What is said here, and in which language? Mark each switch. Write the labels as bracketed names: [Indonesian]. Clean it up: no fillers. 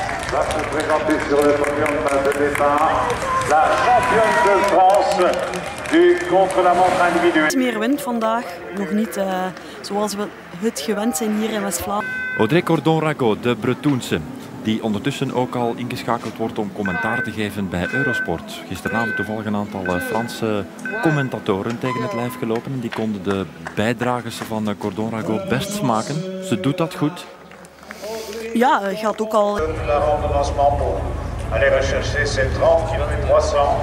[French] va se présenter sur le podium de départ. La championne de France du contre-la-montre individuel. [Dutch] Iets meer wind vandaag, nog niet zoals we het gewend zijn hier in West-Vlaanderen. Audrey Cordon-Rago, de Bretoense, die ondertussen ook al ingeschakeld wordt om commentaar te geven bij Eurosport. Gisteravond toevallig een aantal Franse commentatoren tegen het lijf gelopen. Die konden de bijdragers van Cordon-Rago best smaken. Ze doet dat goed. Ja, het gaat ook al. [French] La ronde lancement pour aller rechercher ses 30 km 300.